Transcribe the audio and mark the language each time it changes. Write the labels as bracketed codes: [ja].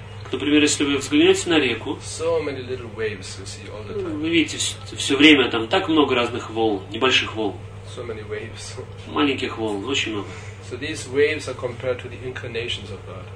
[ru] Например, если вы взглянете на реку, [en] so many little waves you see all the time. [ru] Вы видите, все время там так много разных волн, небольших волн. [en] So many waves. [ru] Маленьких волн, очень много. [en] So these waves are compared to the incarnations of God.